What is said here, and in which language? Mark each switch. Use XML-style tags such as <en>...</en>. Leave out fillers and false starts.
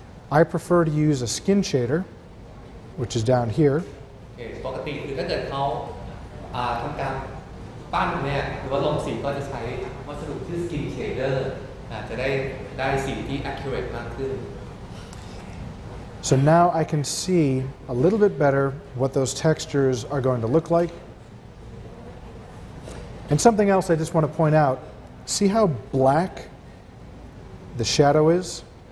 <en>I prefer to use a skin shader, which is down here.</en> <th>ปกติคือถ้าเกิดเขาทำการปั้นเนี่ยหรือว่าลงสีก็จะใช้วัสดุชื่อ skin shader จะได้สีที่ accurate มากขึ้น</th> <en>So now I can see a little bit better what those textures are going to look like. And something else I just want to point out. See how black the shadow is?</en>